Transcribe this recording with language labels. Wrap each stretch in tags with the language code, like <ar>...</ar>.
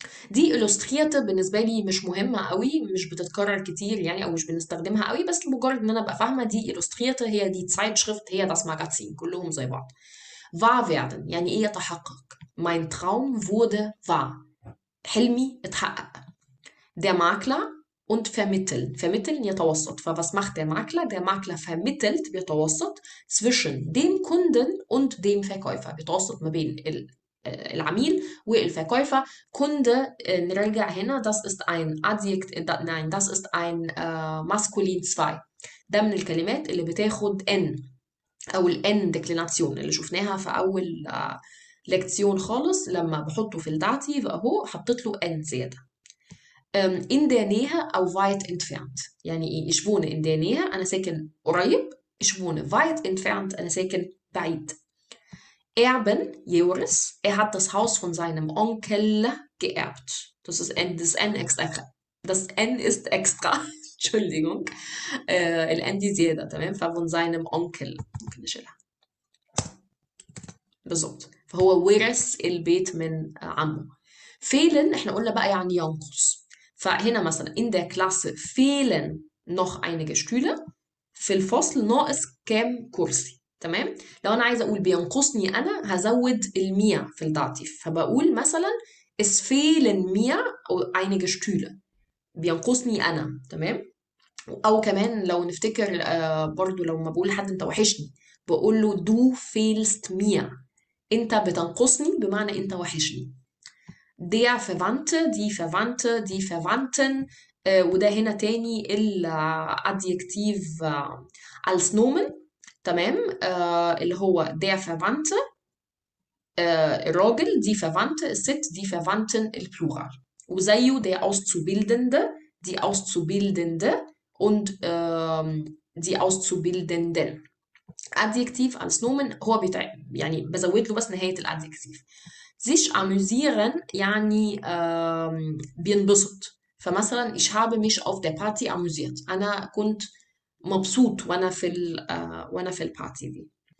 <ar>دي illustriert بالنسبة لي مش مهمة قوي, مش بتتكرر كتير يعني, أو مش بنستخدمها قوي, بس مجرد إن أنا أبقى فاهمة دي illustriert, هي دي Zeitschrift, هي das Magazin, كلهم زي بعض.</ar> <de>wahr werden</de> <ar>يعني إيه يتحقق.</ar> <de>mein Traum wurde wahr,</de> <ar>حلمي اتحقق.</ar> <de>der Makler und vermitteln, vermitteln يتوسط. فwas macht der Makler? der Makler vermittelt, بيتوسط, zwischen dem Kunden und dem Verkäufer,</de> <ar>بيتوسط ما بين العميل والفكايفه. كنده, نرجع هنا,</ar> <de>das ist ein adjekt, nein, das ist ein maskulin 2,</de> <ar>ده من الكلمات اللي بتاخد n, او الn declination اللي شفناها في اول لكسيون خالص, لما بحطه في الداتيف اهو حطيت له n زياده.</ar> <de>in der nähe او weit entfernt, يعني ich wohne in der nähe,</de> <ar>انا ساكن قريب.</ar> <de>ich wohne weit entfernt,</de> <ar>انا ساكن بعيد.</ar> <de>Erben, Joris, er hat das Haus von seinem Onkel geerbt. Das ist N, das N extra. Das N ist extra.</de> <ar>Entschuldigung, الأندي زيادة، تمام؟ فمن</ar> <de>seinem Onkel</de> <ar>ممكن نشيلها. بالظبط، فهو ورث البيت من عمه. فيلن احنا قلنا بقى يعني ينقص. فهنا مثلا</ar> <de>in der Klasse fehlen noch einige Stühle،</de> <ar>في الفصل ناقص كام كرسي، تمام؟ لو انا عايزه اقول بينقصني انا هزود الميا في الداتيف، فبقول مثلا</ar> <de>es fehlen mir einige Stühle،</de> <ar>بينقصني انا، تمام؟ او كمان لو نفتكر برضو لو ما بقول لحد انت وحشني بقول له</ar> <de>du fehlst mir،</de> <ar>انت بتنقصني بمعنى انت وحشني.</ar> <de>der Verwandte die Verwandte die Verwandten،</de> <ar>وده هنا تاني الادجكتيف</ar> <de>als nomen، تمام؟ اللي هو der Verwandte الراجل، die Verwandte الست، die Verwandten البلورال، وزيه der Auszubildende die Auszubildende und die Auszubildenden. Adjektiv als Nomen</de> <ar>هو بتاع يعني بزود له بس نهاية الأدجكتيف.</ar> <de>sich amüsieren</de> <ar>يعني بينبسط. فمثلا</ar> <de>ich habe mich auf der Party amüsiert،</de> <ar>أنا كنت مبسوط وأنا في ال وأنا في البارتي دي.</ar>